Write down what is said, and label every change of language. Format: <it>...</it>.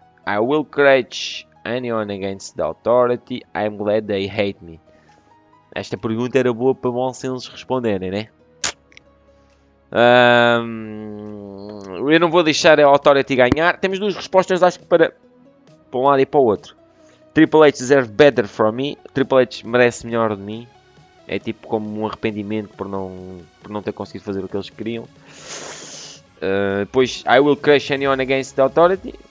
<en>I will crush anyone against the authority, I'm glad they hate me.</en> <pt>Esta pergunta era boa para bom senso responderem, né? Eu não vou deixar a authority ganhar. Temos duas respostas, acho que para um lado e para o outro. Triple H deserve better from me. Triple H merece melhor de mim. É tipo como um arrependimento por não ter conseguido fazer o que eles queriam.</pt> <en>Depois, I will crush anyone against the authority.</en>